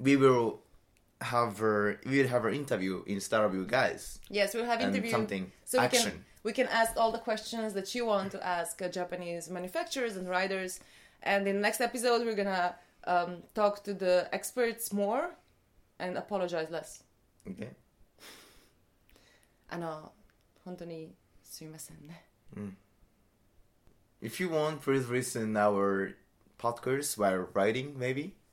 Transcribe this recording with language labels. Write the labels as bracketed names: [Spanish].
[English] we will have an interview instead of you guys. Yes, we'll have interview. And something, so we can ask all the questions that you want to ask Japanese manufacturers and riders. And in the next episode, we're going to talk to the experts more and apologize less. Okay. [Japanese] あの、本当にすみませんね。 [English] If you want, please listen our podcast while riding, maybe.